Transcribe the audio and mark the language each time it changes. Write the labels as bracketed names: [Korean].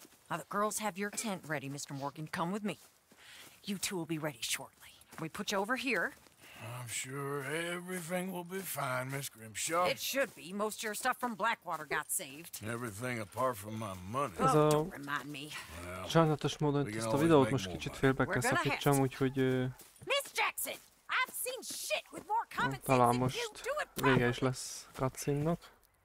[English] Now the girls have your tent ready, Mr. Morgan. Come with me. You two will be ready shortly. We put you over here. I'm sure everything will be fine, Miss Grimshaw. It should be. Most of your stuff from Blackwater got saved. Everything apart from my money. Oh, don't remind me. [Hungarian] Sajnálatos módon ezt a videót most kicsit félbe kell szakítsam, úgyhogy... [English] Miss Jackson! I've seen shit with more common sense than you! [Hungarian] Talán most vége is lesz cutscene-nak.